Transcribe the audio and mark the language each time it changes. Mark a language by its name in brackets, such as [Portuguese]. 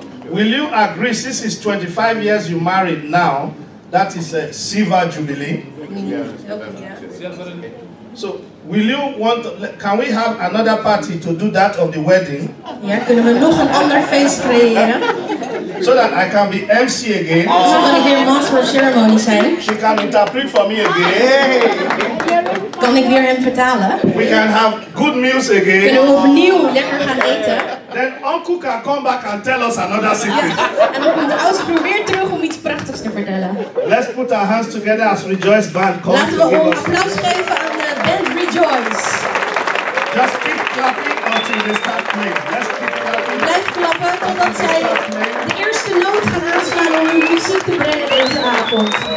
[English] Will you agree, since it's 25 years you married now, that is a silver jubilee? So, will you want? Can we have another party to do that of the wedding? [Dutch] Ja, kunnen we nog een ander feest creëren? [English] So that I can be MC again. [Dutch] Zo dat ik weer master of ceremony zijn. [English] She can interpret for me again. [Dutch] Kan ik weer hem vertalen? [English] We can have good meals again. [Dutch] Kunnen we opnieuw lekker gaan eten? [English] Then uncle can come back and tell us another secret. [Dutch] En dan komt de oudste weer terug om iets prachtigs te vertellen. [English] Let's put our hands together as Rejoice Band comes. [Dutch] Laten we een applaus geven. [English] Rejoice. Just keep clapping until they start playing. Let's keep clapping. [Dutch] blijf klappen totdat zij de eerste noot gaan aanslaan om hun muziek te brengen deze avond.